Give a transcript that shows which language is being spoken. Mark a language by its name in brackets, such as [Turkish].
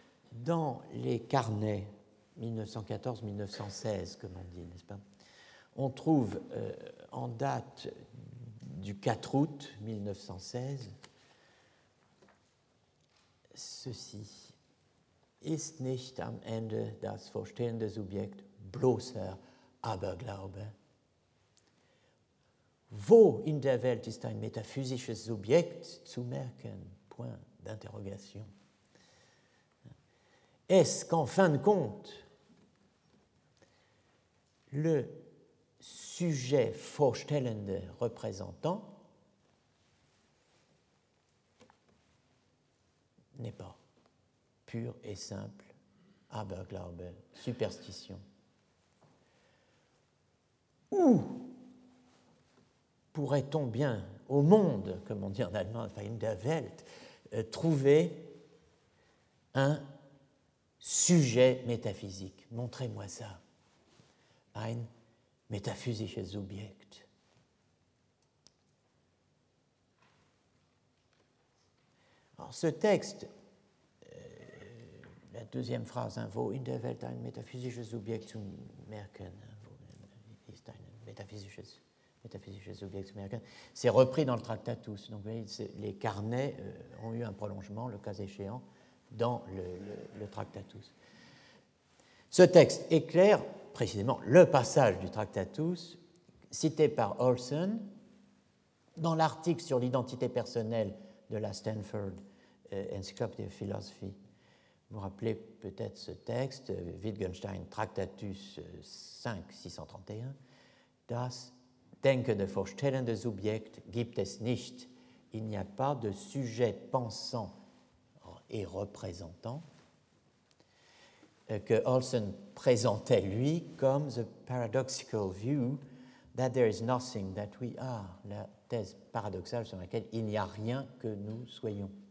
[French] Dans les carnets 1914-1916, comme on dit, n'est-ce pas ? On trouve en date du 4 août 1916 ceci. [German] Ist nicht am Ende das vorstehende Subjekt bloßer Aberglaube? Wo in der Welt ist ein metaphysisches Subjekt zu merken? [French] Point d'interrogation. Est-ce qu'en fin de compte, le sujet vorstellende représentant n'est pas pur et simple Aberglaube, superstition. Où pourrait-on bien, au monde, comme on dit en allemand, [German] in der Welt, [French] trouver un sujet métaphysique? Montrez-moi ça. [German] Ein metaphysisches Objekt. [French] Alors, ce texte, la deuxième phrase, hein, [German] wo in der Welt ein metaphysisches Objekt zu merken, ist ein metaphysisches Objekt zu merken, [French] c'est repris dans le Tractatus. Donc, vous voyez, les carnets ont eu un prolongement, le cas échéant, dans le Tractatus. Ce texte est clair. Précisément, le passage du Tractatus, cité par Olson dans l'article sur l'identité personnelle de la Stanford Encyclopedia of Philosophy. Vous vous rappelez peut-être ce texte, Wittgenstein, Tractatus 5-631. [German] Das denkende vorstellende Subjekt gibt es nicht. [French] Il n'y a pas de sujet pensant et représentant. Que Olson présentait, lui, comme « [English] the paradoxical view that there is nothing that we are [French] », la thèse paradoxale sur laquelle il n'y a rien que nous soyons.